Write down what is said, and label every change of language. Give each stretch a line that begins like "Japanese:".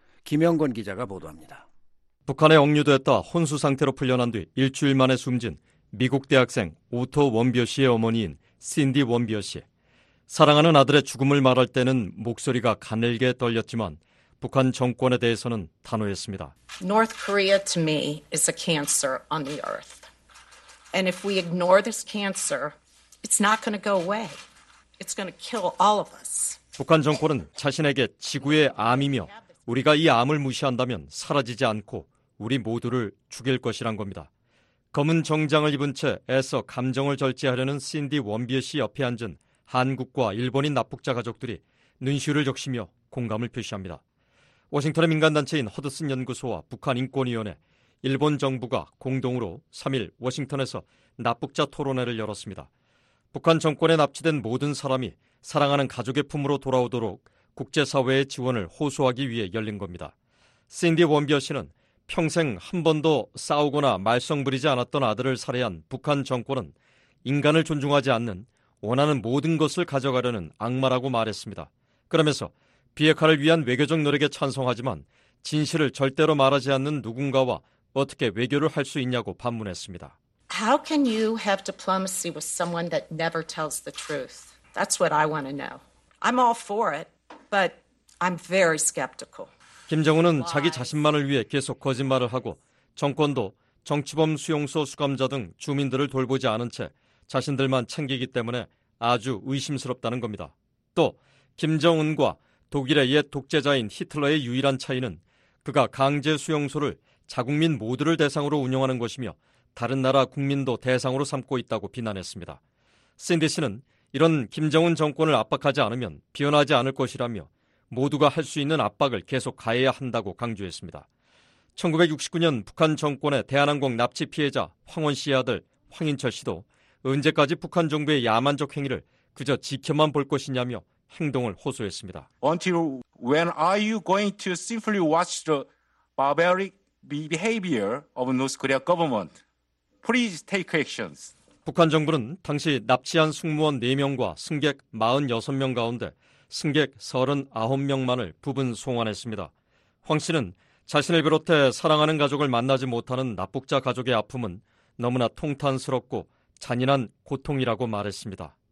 Korean: 김영권 기자가 보도합니다. 북한에 억류됐다 혼수 상태로 풀려난 뒤 일주일 만에 숨진 미국 대학생 오토 원비어 씨의 어머니인 신디 원비어 씨. 사랑하는 아들의 죽음을 말할 때는 목소리가 가늘게 떨렸지만 북한 정권에 대해서는 단호했습니다.
English: North Korea to me is a cancer on the earth. And if we ignore this cancer, it's not going to go away. It's going to kill all of us.
Korean: 북한 정권은 자신에게 지구의 암이며 우리가 이 암을 무시한다면 사라지지 않고 우리 모두를 죽일 것이란 겁니다. 검은 정장을 입은 채 애써 감정을 절제하려는 신디 원비어 씨 옆에 앉은 한국과 일본인 납북자 가족들이 눈시울을 적시며 공감을 표시합니다. 워싱턴의 민간단체인 허드슨 연구소와 북한인권위원회, 일본 정부가 공동으로 3일 워싱턴에서 납북자 토론회를 열었습니다. 북한 정권에 납치된 모든 사람이 사랑하는 가족의 품으로 돌아오도록 국제사회의 지원을 호소하기 위해 열린 겁니다. 신디 원비어 씨는 평생 한 번도 싸우거나 말썽부리지 않았던 아들을 살해한 북한 정권은 인간을 존중하지 않는 원하는 모든 것을 가져가려는 악마라고 말했습니다. 그러면서 비핵화를 위한 외교적 노력에 찬성하지만 진실을 절대로 말하지 않는 누군가와 어떻게 외교를 할 수 있냐고 반문했습니다.
English: How can you have diplomacy with someone that never tells the truth? That's what I want to know. I'm all for it, but I'm very skeptical.
Korean: 김정은은 자기 자신만을 위해 계속 거짓말을 하고 정권도 정치범 수용소 수감자 등 주민들을 돌보지 않은 채 자신들만 챙기기 때문에 아주 의심스럽다는 겁니다. 또 김정은과 독일의 옛 독재자인 히틀러의 유일한 차이는 그가 강제 수용소를 자국민 모두를 대상으로 운영하는 것이며 다른 나라 국민도 대상으로 삼고 있다고 비난했습니다. 신디 씨는 이런 김정은 정권을 압박하지 않으면 변하지 않을 것이라며 모두가 할 수 있는 압박을 계속 가해야 한다고 강조했습니다. 1969년 북한 정권의 대한항공 납치 피해자 황원 씨의 아들 황인철 씨도 언제까지 북한 정부의 야만적 행위를 그저 지켜만 볼 것이냐며 행동을 호소했습니다.
English: Until when are you going to simply watch the barbaric behavior of North Korea government? Please take actions.
Korean: 북한 정부는 당시 납치한 승무원 4명과 승객 46명 가운데 승객 39명만을 부분 송환했습니다. 황 씨는 자신을 비롯해 사랑하는 가족을 만나지 못하는 납북자 가족의 아픔은 너무나 통탄스럽고 잔인한 고통이라고 말했습니다.